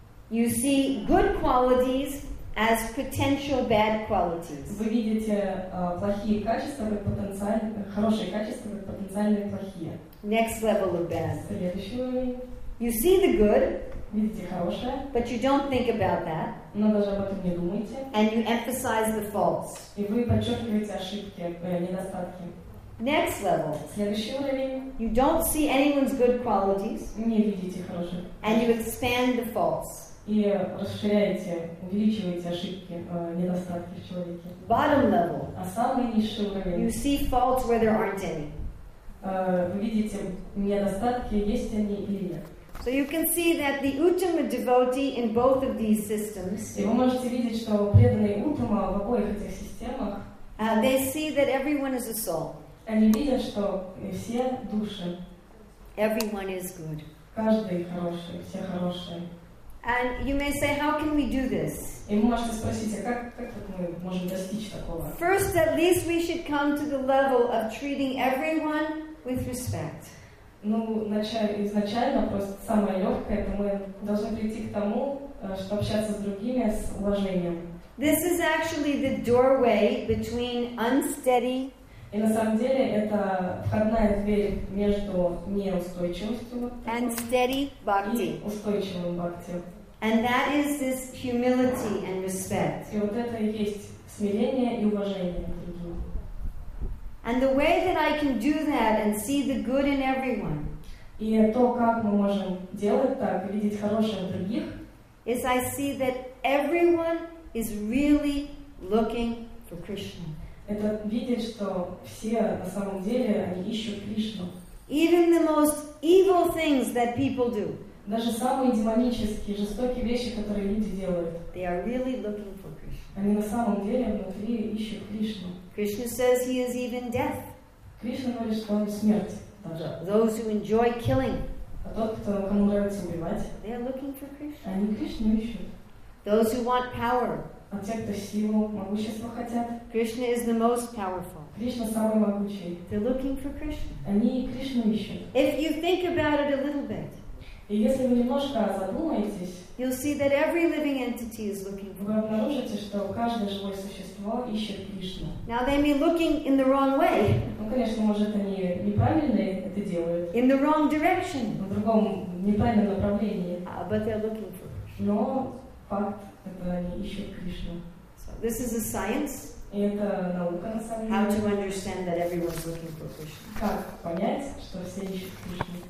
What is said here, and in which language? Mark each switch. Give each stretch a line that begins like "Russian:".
English: You see good qualities as potential bad qualities.
Russian: Вы видите плохие качества как потенциальные, хорошие качества как потенциальные плохие.
English: Next level of bad.
Russian: Следующий уровень.
English: You see the good.
Russian: Видите хорошее.
English: But you don't think about that.
Russian: Но даже об этом не думаете.
English: And you emphasize the faults.
Russian: И вы подчеркиваете ошибки, недостатки.
English: Next level.
Russian: Следующий уровень.
English: You don't see anyone's good qualities.
Russian: Не видите хорошее.
English: And you expand the faults.
Russian: И расширяете, увеличиваете ошибки, недостатки в человеке.
English: Bottom level.
Russian: А самый низший уровень.
English: You see faults where there aren't any.
Russian: Вы видите недостатки, есть они или нет.
English: So you can see that the Uttama devotee in both of these systems.
Russian: И вы можете видеть, что преданные Уттама в обоих этих системах.
English: They see that everyone is a soul.
Russian: Они видят, что все души.
English: Everyone is good.
Russian: Каждый хороший, все хорошие.
English: And you may say, how can we do this?
Russian: И вы можете спросить, а как мы можем достичь такого?
English: First, at least we should come to the level of treating everyone with respect.
Russian: Ну, изначально просто самое легкое, это мы должны прийти к тому, что общаться с другими с уважением.
English: This is actually the doorway between unsteady.
Russian: И на самом деле это входная дверь между неустойчивостью
English: and steady bhakti.
Russian: И устойчивым бхакти.
English: And that is this humility and respect.
Russian: И вот это и есть смирение и уважение.
English: And the way that I can do that and see the good in everyone.
Russian: И то, как мы можем делать так, видеть хорошее в других.
English: Is I see that everyone is really looking for Krishna.
Russian: Это видеть, что все на самом деле они ищут Кришну.
English: Even the most evil things that people do.
Russian: Даже самые демонические, жестокие вещи, которые люди делают.
English: They are really looking for Krishna.
Russian: Они на самом деле внутри ищут Кришну.
English: Krishna says he is even death.
Russian: Кришна говорит, что он смерть.
English: Those who enjoy killing.
Russian: А тот, кто, кому нравится убивать.
English: They are looking for Krishna.
Russian: Они Кришну ищут.
English: Those who want power.
Russian: А те, кто силу, могущество хотят.
English: Krishna is the most powerful.
Russian: Кришна самый могучий.
English: They're looking for Krishna.
Russian: Они Кришну ищут.
English: If you think about it a little bit.
Russian: И если вы немножко задумаетесь.
English: You'll see that every living entity is looking for.
Russian: Вы обнаружите, что каждое живое существо ищет Кришну.
English: Now they may be looking in the wrong way.
Russian: Ну, конечно, может, они неправильно это делают.
English: In the wrong direction.
Russian: В другом неправильном направлении.
English: But they're looking for Krishna.
Russian: Но факт, это они ищут Кришну.
English: So this is a science.
Russian: И это наука на самом деле.
English: How to understand that everyone's looking for Krishna.
Russian: Как понять, что все ищут Кришну?